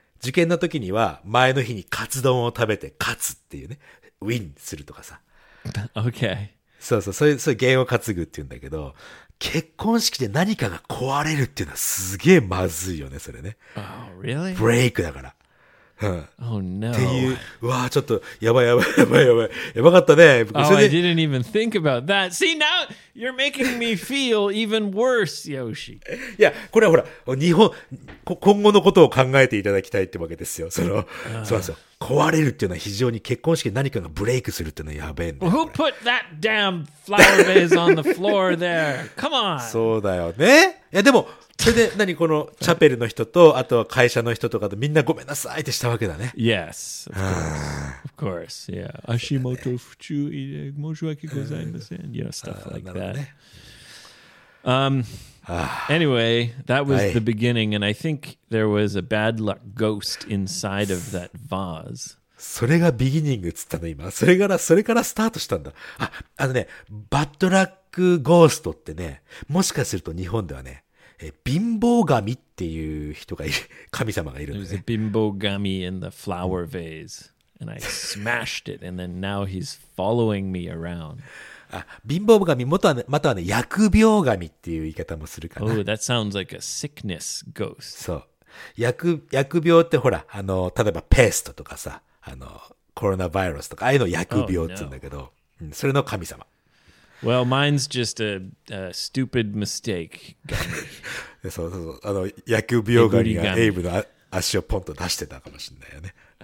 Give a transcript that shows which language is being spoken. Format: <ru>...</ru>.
<ja>受験の時には、前の日にカツ丼を食べて、勝つっていうね、ウィンするとかさ。</ja> <en>Okay.</en> <ja>そうそう、そういう弦を担ぐっていうんだけど、結婚式で何かが壊れるっていうのはすげえまずいよね、それね。</ja> <en>Oh, really?</en> <ja>ブレイクだから。うん。</ja> <en>Oh, no.</en> <ja>っていう、うわぁ、ちょっと、やばいやばいやばいやばい。やばかったね。</ja> <en>Oh, I didn't even think about that. See, now, you're making me feel even worse, Yoshi.</en> <ja>いや、これはほら、日本、今後のことを考えていただきたいってわけですよ。その、そうなんですよ。壊れるっていうのは非常に結婚式で何かがブレイクするっていうのはやべえんだよ。</ja> <en>Well, who put that damn flower vase on the floor there? Come on!</en> <ja>そうだよね。いや、でも、それで何このチャペルの人とあとは会社の人とかとみんなごめんなさいってしたわけだね。</ja> <en>Yes, of course. Of course, yeah.</en> <ja>足元不注意で申し訳ございません。</ja> <en>You know, stuff like that. Anyway, that was the beginning, and I think there was a bad luck ghost inside of that vase.</en> <ja>それがビギニングっつったの今。それからスタートしたんだ。あのね、バッドラックゴーストってね、もしかすると日本ではね、貧乏神っていう人がいる、神様がいるんですね。</ja> <en>There's a 貧乏神 in the flower vase. And I smashed it. And then now he's following me around.</en> <ja>あ、貧乏神、またはね、薬病神っていう言い方もするかな。</ja> <en>Oh, that sounds like a sickness ghost.</en> <ja>そう。薬病ってほら、あの、例えばペストとかさ、あの、コロナウイルスとか、ああいうの薬病って言うんだけど、</ja> <en>oh, no.</en> <ja>それの神様。</ja> <en>Well, mine's just a stupid mistake.</en> <ja>そうそうそう。あの、薬病ガニがエイブの足をポンと出してたかもしれないよね。</ja>